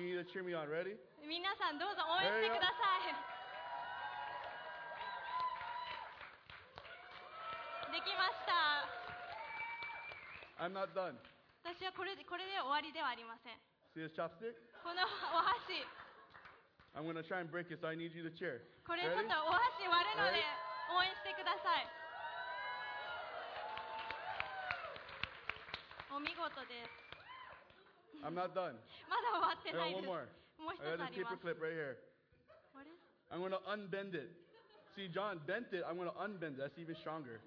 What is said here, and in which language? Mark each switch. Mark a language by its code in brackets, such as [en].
[en] You need to cheer me on. Ready? [ja] 皆さんどうぞ応援してください。できました。 [en] I'm not done. [ja] 私はこれで終わりではありません。 [en] See this chopstick? [ja] このお箸。 [en] I'm gonna try and break it, so I need you to cheer. [ja] これちょっとお箸割るので応援してください。お見事です。 [en] I'm not done. [ja] まだ終わってないです。 [en] I got one more. I got this paper clip right here. I'm going to unbend it. See, John bent it. I'm going to unbend it. That's even stronger.